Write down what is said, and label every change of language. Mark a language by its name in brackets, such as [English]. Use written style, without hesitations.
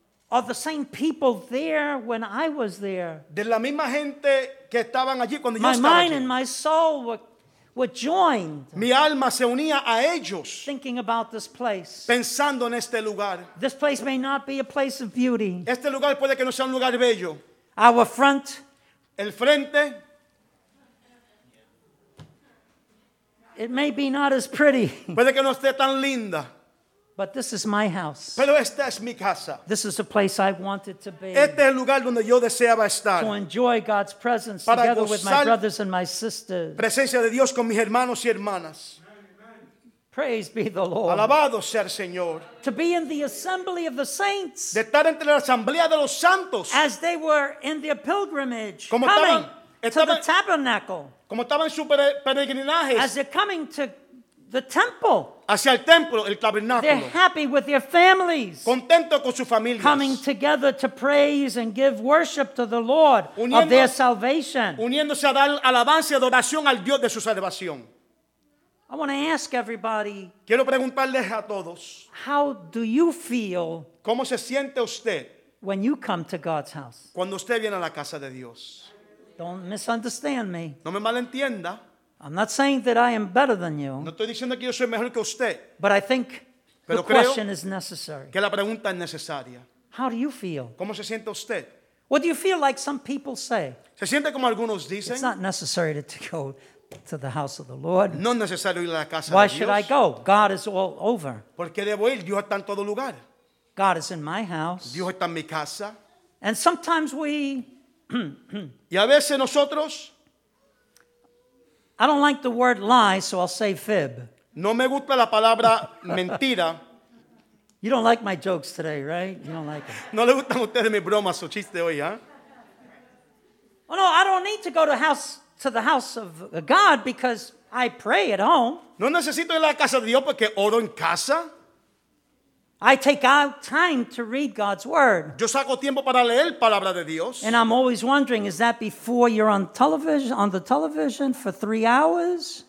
[English] Are the same people there when I was there? [Spanish] De la misma gente que estaban allí cuando [English] my [Spanish] yo estaba [English] mind [Spanish] allí. [English] And my soul were joined. [Spanish] Mi alma se unía a ellos. [English] Thinking about this place. [Spanish] Pensando en este lugar. [English] This place may not be a place of beauty. [Spanish] Este lugar puede que no sea un lugar bello. [English] Our front. [Spanish] El frente. [English] It may be not as pretty. [Spanish] Puede que no esté tan linda. [English] But this is my house. [Spanish] Pero esta es mi casa. [English] This is the place I wanted to be. [Spanish] Este es el lugar donde yo deseaba estar. [English] To enjoy God's presence [Spanish] Para [English] together with my brothers and my sisters. [Spanish] Presencia de Dios con mis hermanos y hermanas. [English] Praise be the Lord. [Spanish] Alabado sea el Señor. [English] To be in the assembly of the saints. [Spanish] De estar entre la asamblea de los santos. [English] As they were in their pilgrimage. [Spanish] Como [English] coming [Spanish] estaban, [English] to the tabernacle. [Spanish] Como estaban en su peregrinaje. [English] As they're coming to the temple. [Spanish] Hacia el templo, el tabernáculo. [English] They're happy with their families. [Spanish] Contento con su familia. [English] Coming together to praise and give worship to the Lord of their salvation. [Spanish] Uniéndose a dar alabanza y adoración al Dios de su salvación. [English] I want to ask everybody. [Spanish] Quiero preguntarles a todos. [English] How do you feel? [Spanish] ¿Cómo se siente usted? [English] When you come to God's house. [Spanish] Cuando usted viene a la casa de Dios. [English] Don't misunderstand me. [Spanish] No me malentienda. [English] I'm not saying that I am better than you. [Spanish] No estoy diciendo que yo soy mejor que usted. [English] But I think [Spanish] Pero [English] the question is necessary. [Spanish] Que la pregunta es necesaria. [English] How do you feel? [Spanish] ¿Cómo se siente usted? [English] What do you feel like some people say? [Spanish] ¿Se siente como algunos dicen? [English] It's not necessary to go to the house of the Lord. [Spanish] No es necesario ir a la casa de Dios. [English] Why should I go? God is all over. [Spanish] ¿Por qué debo ir? Dios está en todo lugar. [English] God is in my house. [Spanish] Dios está en mi casa. [English] And sometimes we... [Spanish] y a veces nosotros... [English] I don't like the word lie, so I'll say fib. [Spanish] No me gusta la palabra mentira. [English] You don't like my jokes today, right? You don't like it. [Spanish] No le gustan ustedes mis bromas o chistes hoy, ¿eh? [English] Oh no, I don't need to go to the house of God because I pray at home. [Spanish] No necesito ir a la casa de Dios porque oro en casa. [English] I take out time to read God's word. [Spanish] Yo saco tiempo para leer palabra de Dios. [English] And I'm always wondering, is that before you're on the television for 3 hours?